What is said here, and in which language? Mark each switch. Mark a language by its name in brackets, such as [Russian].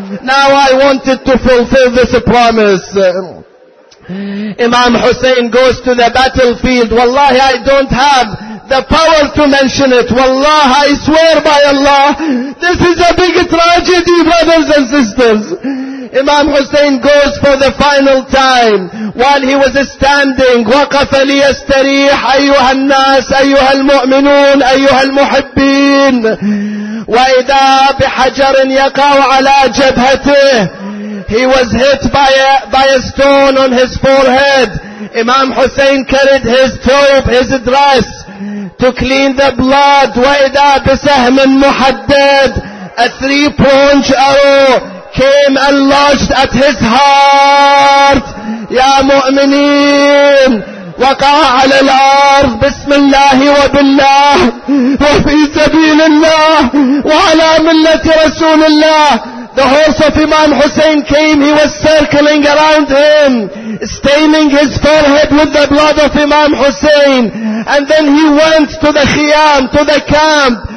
[English] Now I wanted to fulfill this promise. Imam Hussein goes to the battlefield. Wallahi, I don't have the power to mention it. Wallahi, I swear by Allah, this is a big tragedy, brothers and sisters. Imam Hussein goes for the final time. While he was standing, [Arabic] وقف ليستريح أيها الناس أيها المؤمنون أيها المحبين وإذا بحجر يقع على جبهته. [English] He was hit by a stone on his forehead. Imam Hussein carried his thobe, his dress, to clean the blood. [Arabic] وإذا بسهم محدد, [English] a three-pronged arrow came and lodged at his heart. [Arabic] يا مؤمنين وقع على الأرض بسم الله وبالله وفي سبيل الله وعلى ملة رسول الله. [English] The horse of Imam Hussein came, he was circling around him, staining his forehead with the blood of Imam Hussein. And then he went to the khiyam, to the camp.